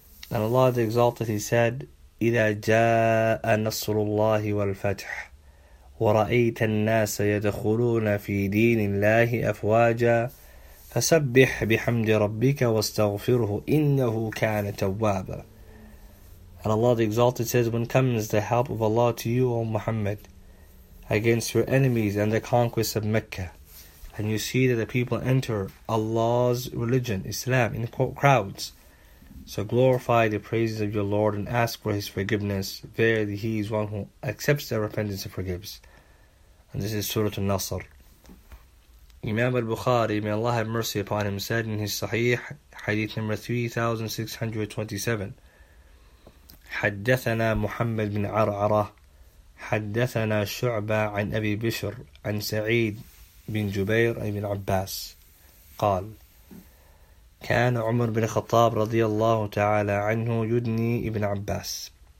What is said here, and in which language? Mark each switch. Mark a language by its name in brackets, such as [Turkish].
[English] And Allah the Exalted, He said, [Arabic] إِذَا جَاءَ نَصْرُ اللَّهِ وَالْفَتْحِ وَرَأَيْتَ النَّاسَ يَدْخُلُونَ فِي دِينِ اللَّهِ أَفْوَاجًا فَسَبِّحْ بِحَمْدِ رَبِّكَ وَاسْتَغْفِرْهُ إِنَّهُ كَانَ تَوَّابًا. [English] And Allah the Exalted says, when comes the help of Allah to you, O Muhammad, against your enemies and the conquest of Mecca, and you see that the people enter Allah's religion, Islam, in crowds, so glorify the praises of your Lord and ask for His forgiveness. Verily, He is one who accepts their repentance and forgives. And this is Surah An-Nasr. Imam al-Bukhari, may Allah have mercy upon him, said in his Sahih, Hadith number 3627, [Arabic] حَدَّثَنَا مُحَمَّدْ بِنْ عَرْعَرَةِ حَدَّثَنَا شُعْبَى عَنْ أَبِي بِشْرٍ عَنْ سَعِيدٍ بِنْ جُبَيْرٍ بِنْ عَبَّاسٍ قَالْ كان عمر بن الخطاب رضي الله تعالى عنه يدني ابن عباس